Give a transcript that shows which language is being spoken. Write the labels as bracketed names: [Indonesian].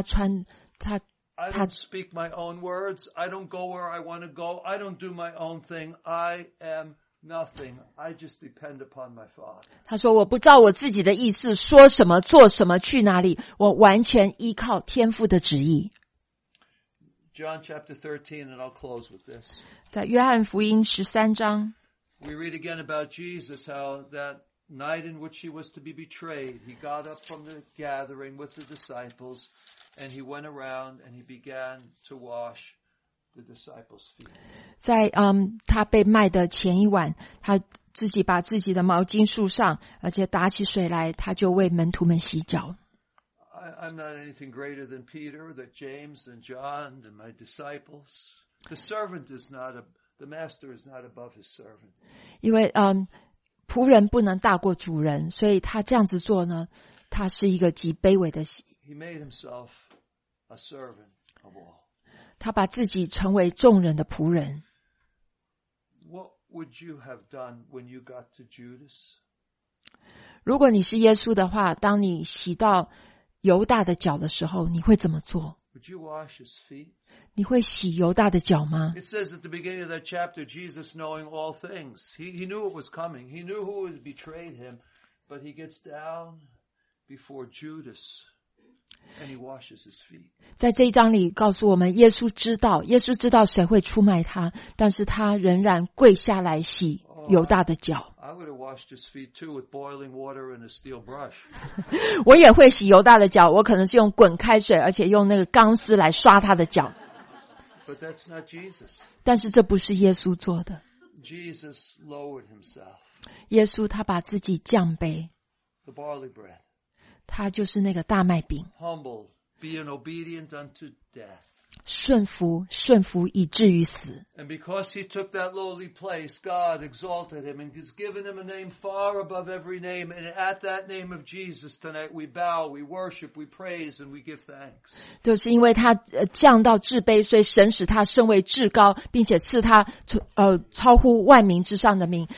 [English] I don't speak my own words, I don't go where I want to go, I don't do my own thing, I am nothing, I just depend upon my Father. [Chinese] 他说我不照我自己的意思说什么做什么去哪里，我完全依靠天父的旨意。 [English] John chapter 13, and I'll close with this. [Chinese] 在约翰福音13章 [English] We read again about Jesus, how that night in which he was to be betrayed, he got up from the gathering with the disciples, and he went around and he began to wash the disciples' feet. [Chinese] 在他被卖的前一晚，他自己把自己的毛巾束上，而且打起水来，他就为门徒们洗脚。 [English] I'm not anything greater than Peter, that James and John and my disciples. The master is not above his servant. [Chinese] 因为仆人不能大过主人，所以他这样子做呢，他是一个极卑微的。 [English] He made himself a servant of all. [Chinese] 他把自己成为众人的仆人。 [English] What would you have done when you got to Judas? [Chinese] 如果你是耶稣的话，当你洗到犹大的脚的时候，你会怎么做？ [English] Would you wash his feet? [Chinese] 你会洗犹大的脚吗？ [English] It says at the beginning of that chapter, Jesus knowing all things. He knew it was coming. He knew who had betrayed him. But he gets down before Judas and he washes his feet. [Chinese] 在这一章里告诉我们，耶稣知道谁会出卖他，但是他仍然跪下来洗犹大的脚。 Oh, [English] I'm going to wash his feet too with boiling water and a steel brush. [Chinese] 我也会洗犹大的脚，我可能是用滚开水，而且用那个钢丝来刷他的脚。 [English] But that's not Jesus. [Chinese] 但是这不是耶稣做的。 [English] Jesus lowered himself. [Chinese] 耶稣他把自己降卑。 [English] The barley bread. [Chinese] 他就是那个大麦饼。 [English] Humble, being obedient unto death. [Chinese] 顺服，顺服以至于死。 [English] And because he took that lowly place, God exalted him and has given him a name far above every name. And at that name of Jesus tonight, we bow, we worship, we praise, and we give thanks. [Chinese] 就是因为他降到至卑，所以神使他升为至高，并且赐他超乎万民之上的名。